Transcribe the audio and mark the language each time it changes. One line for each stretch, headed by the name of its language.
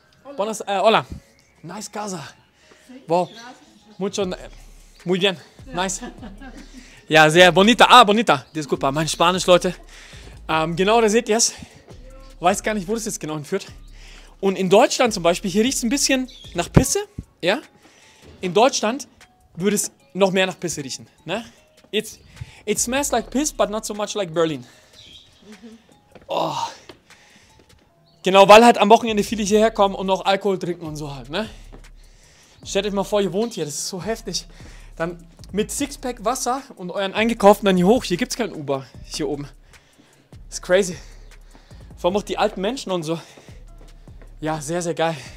Spanish: Hola. Buenas, hola.
English: Nice
Spanish: casa. Wow. Mucho. Muy bien. Nice.
German: Ja, sehr
Spanish: bonita. Ah, bonita. Disculpa,
German: mein Spanisch, Leute. Genau, da seht ihr es. Weiß gar nicht, wo das jetzt genau hinführt. Und in Deutschland zum Beispiel, hier riecht es ein bisschen nach Pisse. Ja? In Deutschland würde es noch mehr nach Pisse riechen. Ne?
English: It smells like piss, but not so much like Berlin. Oh.
German: Genau, weil halt am Wochenende viele hierher kommen und noch Alkohol trinken und so halt. Ne? Stellt euch mal vor, ihr wohnt hier, das ist so heftig. Dann mit Sixpack Wasser und euren Eingekauften dann hier hoch. Hier gibt es kein Uber, hier oben. Ist crazy. Vor allem auch die alten Menschen und so. Ja, sehr, sehr geil.